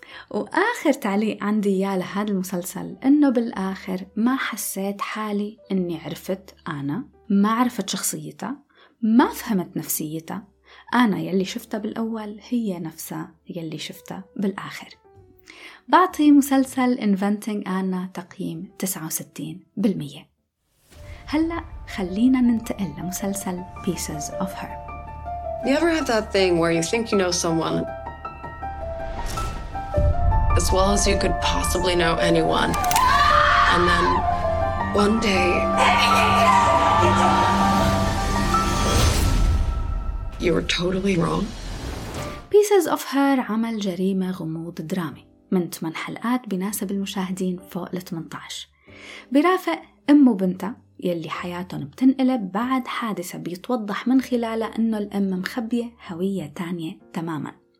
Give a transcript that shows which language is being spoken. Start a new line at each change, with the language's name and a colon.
Arabic: وآخر تعليق عندي إياه لهذا المسلسل إنه بالآخر ما حسيت حالي إني عرفت أنا، ما عرفت شخصيتها، ما فهمت نفسيتها، أنا يلي شفتها بالأول هي نفسها يلي شفتها بالآخر. بعطي مسلسل Inventing Anna تقييم 69%. هلأ خلينا ننتقل لمسلسل Pieces of Her.
English: You ever have that thing where you think you know someone as well as you could possibly know anyone, and then one day you were totally wrong?
Arabic: Pieces of Her عمل جريمة غموض درامي من 8 حلقات بناسب المشاهدين فوق ال 18، بيرافق أم وبنتها يلي حياتهم بتنقلب بعد حادثة بيتوضح من خلالها أنه الأم مخبية هوية تانية تماما.